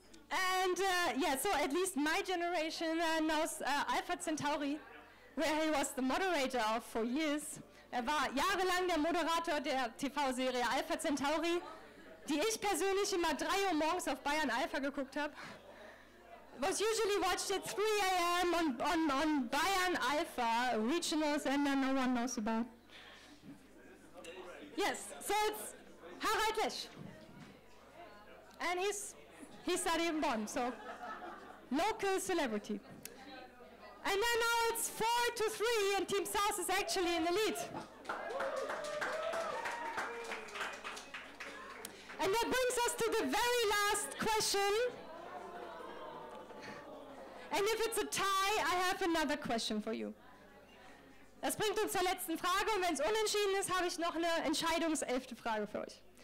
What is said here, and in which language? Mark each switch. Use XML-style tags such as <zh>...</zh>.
<en>And yeah, so at least my generation knows Alpha Centauri, where he was the moderator of for years.</en> <de>Er war jahrelang der Moderator der TV-Serie Alpha Centauri, die ich persönlich immer 3 Uhr morgens auf Bayern Alpha geguckt habe.</de> <en>Was usually watched at 3 a.m. on Bayern Alpha, regional sender no one knows about. Yes, so it's Harald Lesch. And he studied in Bonn, so local celebrity. And then now it's 4-3 and Team South is actually in the lead. And that brings us to the very last question. And if it's a tie, I have another question for you.</en> <de>Das bringt uns zur letzten Frage. Und wenn es unentschieden ist, habe ich noch eine entscheidungselfte Frage für euch.</de>